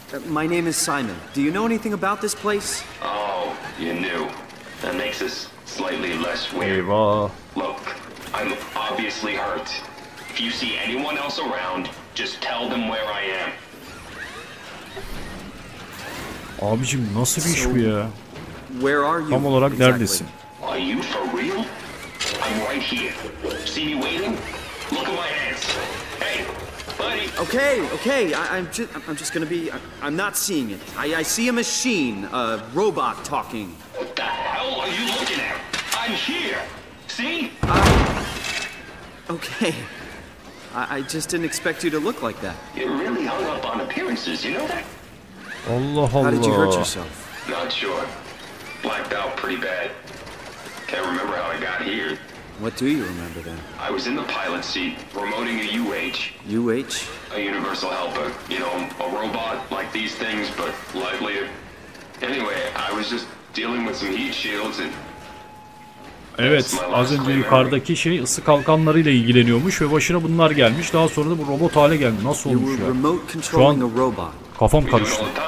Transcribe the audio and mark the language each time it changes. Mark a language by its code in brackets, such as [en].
[en] My name is Simon. Do you know anything about this place? Oh, you knew. That makes us slightly less weird. [tr] Eyvah. [en] Look, I'm obviously hurt. If you see anyone else around, just tell them where I am. [tr] Abicim, nasıl bir iş bu ya? [en] Where are you? [tr] Tam olarak neredesin? [en] Are you for real? here. See me waiting? Look at my hands. Hey, buddy. Okay, okay. I'm just gonna be. I'm not seeing it. I see a machine, a robot talking. What the hell are you looking at? I'm here. See? Okay. I just didn't expect you to look like that. You're really hung up on appearances, you know that? [tr] Allah Allah. [en] How did you hurt yourself? Not sure. Blacked out pretty bad. Can't remember how I got here. What do you remember then? I was in the pilot seat, remoting a UH. UH? A universal helper. You know, a robot like these things, but livelier. Anyway, I was just dealing with some heat shields and... [tr] Evet, az önce yukarıdaki şey ısı kalkanlarıyla ilgileniyormuş ve başına bunlar gelmiş. Daha sonra da bu robot hale geldi. Nasıl olmuş ya? Şu an kafam karıştı.